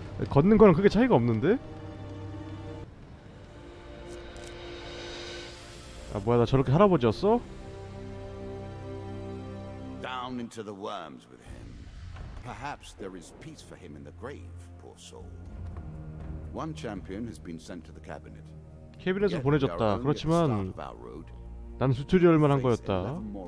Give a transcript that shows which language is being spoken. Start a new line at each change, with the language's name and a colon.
Korean: 걷는 거랑 크게 차이가 없는데? 아 뭐야 나 저렇게 할아버지였어?
English: Down into the worms with him. Perhaps there is peace for him in the grave, poor soul. One champion has been sent to the cabinet.
Korean: 캐빈에서 보내졌다. 그렇지만 나는 튜토리얼만 한 거였다.